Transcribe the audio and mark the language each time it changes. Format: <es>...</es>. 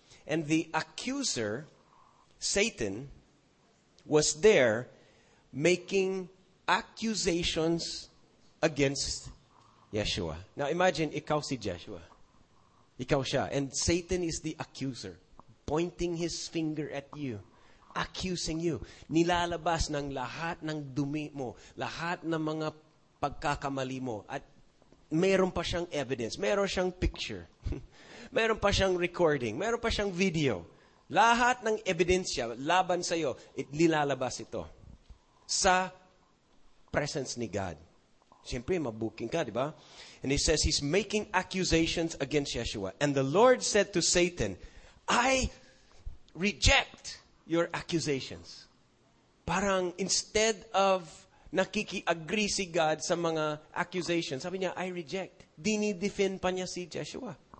<en>And the accuser, Satan, was there making accusations against Yeshua. Now imagine,</en> <tl>ikaw si Yeshua. Ikaw siya.</tl> <en>And Satan is the accuser, pointing his finger at you, accusing you.</en> <tl>Nilalabas ng lahat ng dumi mo, lahat ng mga pagkakamali mo, at meron pa siyang evidence. Meron siyang picture. Meron pa siyang recording. Meron pa siyang video. Lahat ng ebidensya laban sa'yo, nilalabas ito sa presence ni God. Siyempre, mabuking ka, di ba?</tl> <en>And he says, he's making accusations against Yeshua. And the Lord said to Satan, I reject your accusations.</en> <tl>Parang instead of nakiki-agree si God sa mga accusations. Sabi niya,</tl> <en>I reject.</en> <tl>Dini-defend pa niya si Yeshua.</tl>